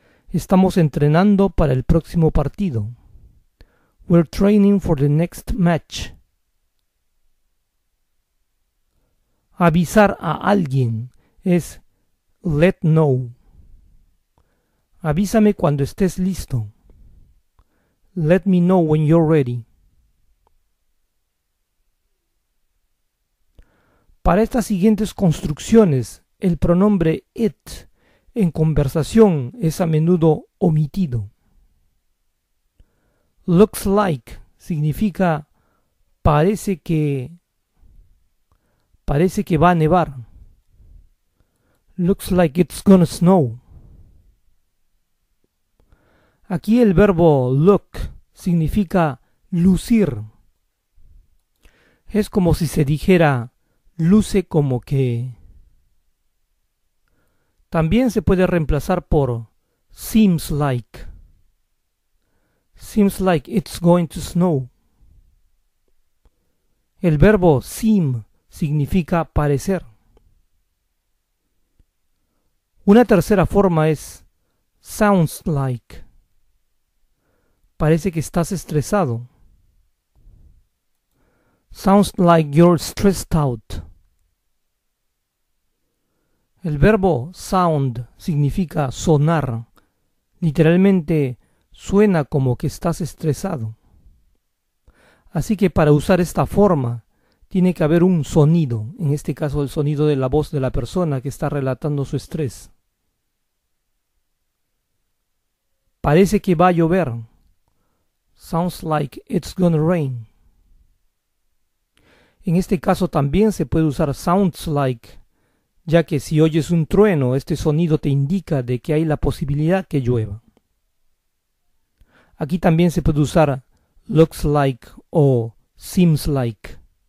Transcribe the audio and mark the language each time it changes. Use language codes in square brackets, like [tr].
[es] Estamos entrenando para el próximo partido. [en] We're training for the next match. [es] Avisar a alguien es let know. Avísame cuando estés listo. [en] Let me know when you're ready. [es] Para estas siguientes construcciones, el pronombre it en conversación es a menudo omitido. Looks like significa parece que va a nevar. [en] Looks like it's gonna snow. [es] Aquí el verbo look significa lucir. Es como si se dijera luce como que. También se puede reemplazar por seems like. [en] Seems like it's going to snow. [es] El verbo seem significa parecer. Una tercera forma es sounds like. Parece que estás estresado. [en] Sounds like you're stressed out. [es] El verbo sound significa sonar. Literalmente suena como que estás estresado. Así que para usar esta forma, tiene que haber un sonido, en este caso el sonido de la voz de la persona que está relatando su estrés. Parece que va a llover. [en] Sounds like it's gonna rain. [es] En este caso también se puede usar sounds like, ya que si oyes un trueno, este sonido te indica de que hay la posibilidad que llueva. Aquí también se puede usar looks like o seems like.